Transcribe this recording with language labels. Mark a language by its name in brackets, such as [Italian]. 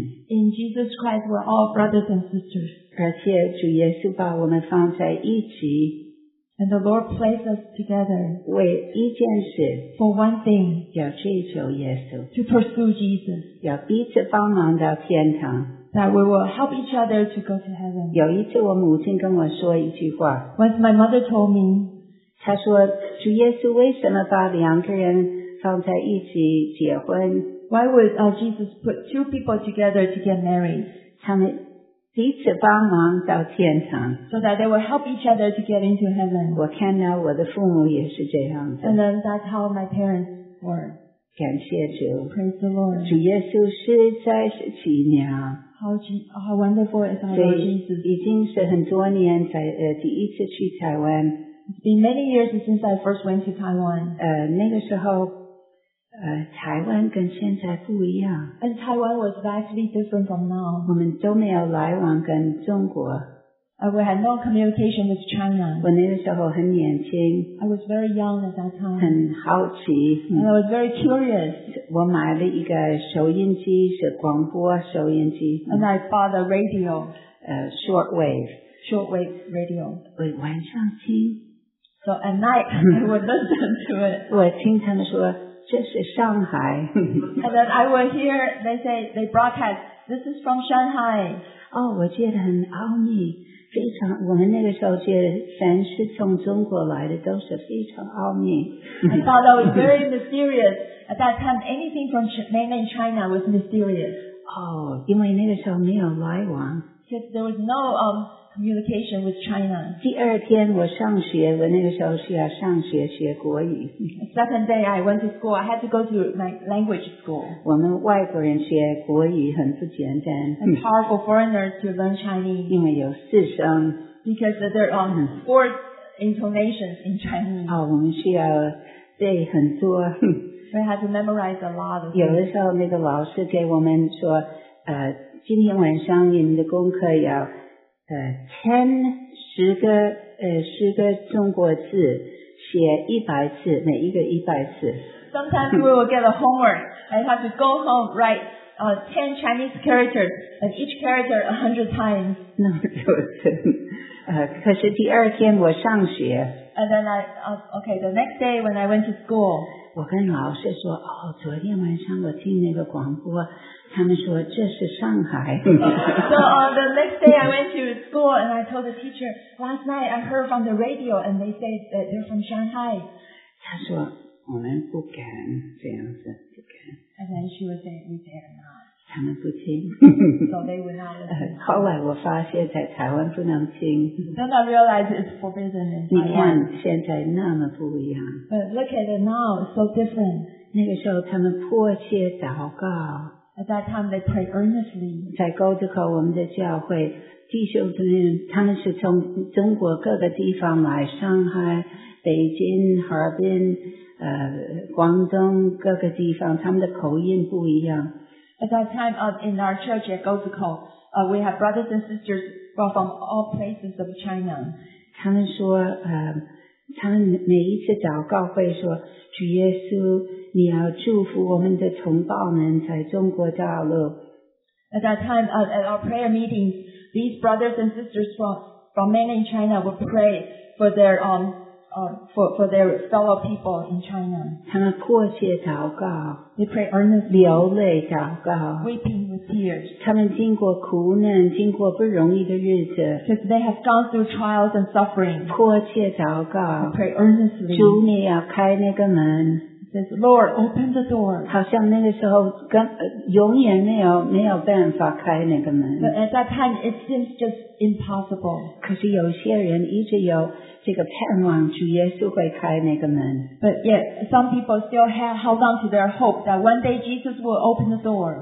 [English] In Jesus Christ, we're all brothers and sisters. [Chinese] 而且主耶稣把我们放在一起。 [English] And the Lord placed us together. [Chinese] 为一件事。 [English] For one thing. [Chinese] 要追求耶稣。 [English] To pursue Jesus. [Chinese] 要彼此帮忙到天堂。 [English] That we will help each other to go to heaven. [Chinese] 有一次我母亲跟我说一句话。 [English] Once my mother told me. [Chinese] 她说主耶稣为什么把两个人放在一起结婚。 [English] Why would Jesus put two people together to get married? [Chinese] 他们彼此帮忙到天堂。 [English] So that they will help each other to get into heaven. [Chinese] 我看到我的父母也是这样的。 [English] And then that's how my parents were. [Chinese] 感谢主。 [English] Praise the Lord. [Chinese] 主耶稣实在是奇妙。 [English] How wonderful is our Lord Jesus. [Chinese] 已经是很多年才第一次去台湾。 [English] It's been many years since I first went to Taiwan. [Chinese] 那个时候台湾跟现在不一样。 [English] And Taiwan was vastly different from now. [Chinese] 我们都没有来往跟中国。 [English] We had no communication with China. [Chinese] 我那个时候很年轻。 [English] I was very young at that time. [Chinese] 很好奇。 [English] And I was very curious. [Chinese] 我买了一个收音机，是广播收音机。 [English] And I bought a radio. Shortwave. Shortwave radio. [Chinese] 我晚上听。 [English] So at night, I would listen to it. [Chinese] 我听他们说这是上海。 [English] And then I would hear, they broadcast, this is from Shanghai. [Chinese] 我觉得很奥秘。非常，我们那个时候觉得凡是从中国来的都是非常奥秘。 [English] I thought that was very mysterious. At that time, anything from mainland China was mysterious. [Chinese] 因为那个时候没有来往。 [English] Because there was no, communication with China. [Chinese] 第二天我上学，我那个时候需要上学学国语。 [English] Second day I went to school. I had to go to my language school. [Chinese] 我们外国人学国语很不简单。 [English] It's hard for foreigners to learn Chinese. [Chinese] 因为有四声。 [English] Because there are four intonations in Chinese. [Chinese] 我们需要背很多。 [English] We had to memorize a lot of things. [Chinese] 有的时候那个老师给我们说，今天晚上你们的功课要十个中国字写一百次，每一个一百次。 [English] Sometimes we will get a homework and have to go home write 10 Chinese characters and each character 100 times. [Chinese] 那就是，可是第二天我上学。 [English] And then the next day when I went to school. [Chinese] 我跟老师说，昨天晚上我听那个广播。他们说这是上海。 [English] So the next day I went to school and I told the teacher, last night I heard from the radio and they say that they're from Shanghai. [Chinese] 他说我们不敢这样子，不敢。 [English] And then she would say, we dare not. [Chinese] 他们不听。 [English] So they would not listen. [Chinese] 后来我发现在台湾不能听。 [English] Then I realized it's forbidden. [Chinese] 你看现在那么不一样。 [English] But look at it now, it's so different. [Chinese] 那个时候他们迫切祷告。 [English] At that time, they prayed earnestly. [Chinese] 在 Goldco 我们的教会，弟兄姊妹他们是从中国各个地方来，上海、北京、哈尔滨、广东各个地方，他们的口音不一样。 [English] At that time, in our church at Goldco, we have brothers and sisters from all places of China. [Chinese] 他们说，他们每一次祷告会说，主耶稣。你要祝福我们的同胞们在中国大陆。 [English] At that time, at our prayer meetings, these brothers and sisters from mainland China would pray for their for their fellow people in China. [Chinese] 他们迫切祷告。 [English] They pray earnestly. [Chinese] 流泪祷告。 [English] Weeping with tears. [Chinese] 他们经过苦难，经过不容易的日子。 [English] Because they have gone through trials and suffering. [Chinese] 迫切祷告。 [English] They pray earnestly. [Chinese] 主，你要开那个门。 [English] says, Lord, open the door. [Chinese] 好像那个时候跟永远没有办法开那个门。 [English] But at that time, it seems just impossible. [Chinese] 可是有些人一直有这个盼望，主耶稣会开那个门。 [English] But yet, some people still hold on to their hope that one day Jesus will open the door.